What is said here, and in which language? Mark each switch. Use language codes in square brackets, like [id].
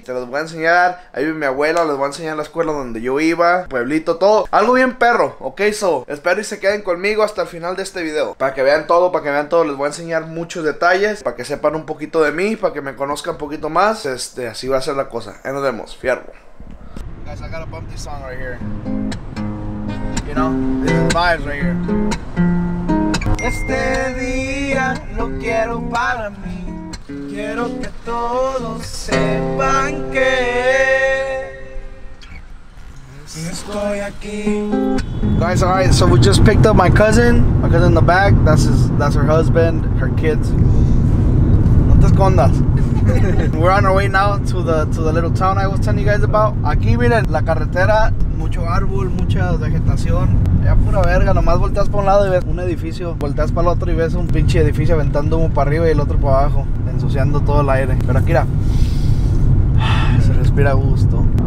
[es] Te los voy a enseñar. Ahí vive mi abuela, les voy a enseñar la escuela donde yo iba, pueblito, todo. Algo bien perro, [en] ok, so, [es] espero y se queden conmigo hasta el final de este video. Para que vean todo, les voy a enseñar muchos detalles, para que sepan un poquito de mí, para que me conozcan un poquito más. Así va a ser la cosa. Ahí nos vemos, fierro. [en] Guys, I gotta bump this song right here. You know, this is vibes right here. [es] Este día lo quiero para mí. Quiero que todos sepan que estoy aquí. [en] Guys, all right, so we just picked up my cousin in the back. That's her husband, her kids. [es] No te escondas. [en] We're on our way now to the little town I was telling you guys about. [es] Aquí miren la carretera, mucho árbol, mucha vegetación. Ya pura verga, nomás volteas para un lado y ves un edificio, volteas para el otro y ves un pinche edificio aventando humo para arriba y el otro para abajo, ensuciando todo el aire. Pero aquí mira, se respira a gusto.